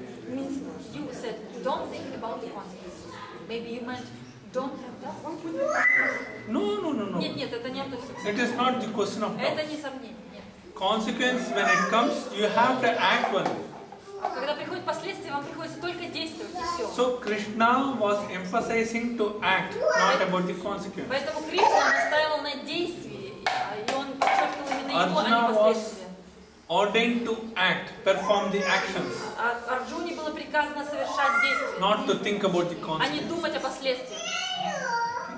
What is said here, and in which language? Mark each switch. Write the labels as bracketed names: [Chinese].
[English] Means you said don't think about the consequences. Maybe you meant don't have doubt. No. It is not the question of doubt. Consequence, when it comes, you have to act on it. [Russian] Когда приходят последствия, вам приходится только действовать, и все. [English] So Krishna was emphasizing to act, not about the consequence. [Russian] Поэтому Кришна настаивал на действии, и он подчеркнул именно его, а не последствия. [English] Arjuna was ordained to act, perform the actions. [Russian] Арджуне было приказано совершать действия. [English] Not to think about the consequence. [Russian] А не думать о последствиях.